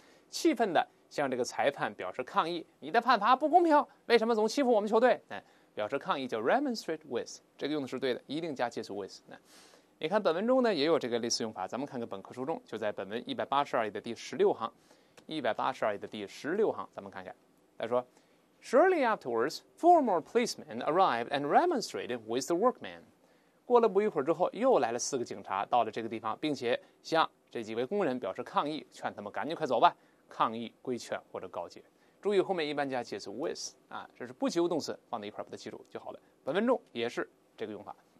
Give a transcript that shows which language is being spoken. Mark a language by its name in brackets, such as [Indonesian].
[Chinese] 气愤的向这个裁判表示抗议，你的判罚不公平，为什么总欺负我们球队，表示抗议叫 remonstrate with， 这个用的是对的，一定加介词 with。你看本文中呢也有这个类似用法，咱们看个本科书中，就在本文182页的第16行， 182页的第16行，咱们看看。他说 [English] ，Shortly afterwards, four more policemen arrived and remonstrated with the workmen. [Chinese] 过了不一会儿之后，又来了四个警察到了这个地方，并且向这几位工人表示抗议，劝他们赶紧快走吧。抗议、规劝或者告诫。注意后面一般加介词 with 啊，这是不及物动词，放在一块把它记住就好了。本文中也是这个用法。